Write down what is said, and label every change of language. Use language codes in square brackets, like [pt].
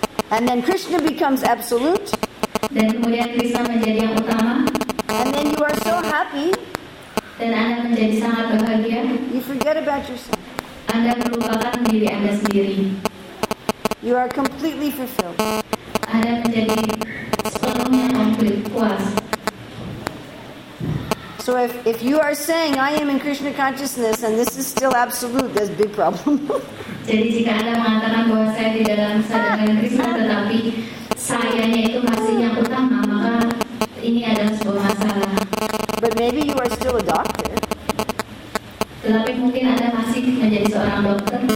[en] And then Krishna becomes absolute. [id] Dan kemudian Krishna menjadi yang utama. [en] And then you are so happy. [id] Dan Anda menjadi sangat bahagia. [en] You forget about yourself. [id] Anda melupakan diri Anda sendiri. [en] You are completely fulfilled. [id] Anda menjadi sepenuhnya komplit, puas. [en] So if you are saying I am in Krishna consciousness and this is still absolute, that's a big problem. [id] Jadi jika Anda mengatakan bahwa saya di dalam sadaran Krishna tetapi sayanya itu masih yang utama, maka ini adalah sebuah masalah. [en] But maybe you are still a doctor. [id] Tetapi mungkin Anda masih menjadi seorang dokter.